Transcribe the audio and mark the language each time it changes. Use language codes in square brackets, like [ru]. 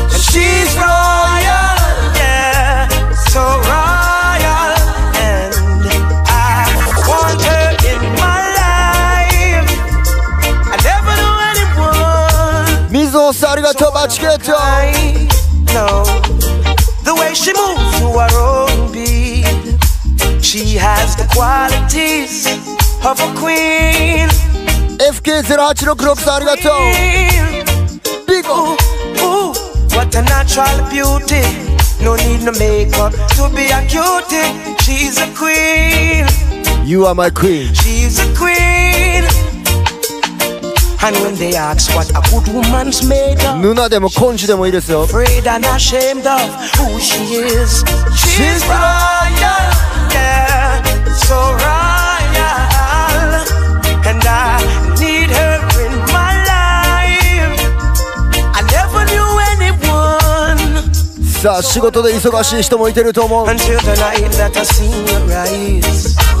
[en] She's royal, yeah, so royal. And I want her in my life. I never know anyone. [ja] 水野さん、ありがとう、バチケット。 [en] No, the way she moves to our own beat. She has the qualities of a queen. [ja] FK0866 さん、ありがとう。Big O. [en] What a natural beauty. No need no makeup to be a cutie. She's a queen. You are my queen. She's a queen. And when they ask what a good woman's made of, [ja] Nuna でも Konji でもいいですよ。 [en] Afraid and ashamed of who she is. She's royal, yeah. so royal, and I need her in my life. I never knew anyone. [ja] さあ、仕事で忙しい人もいてると思う。 [en] Until the night that I see your eyes.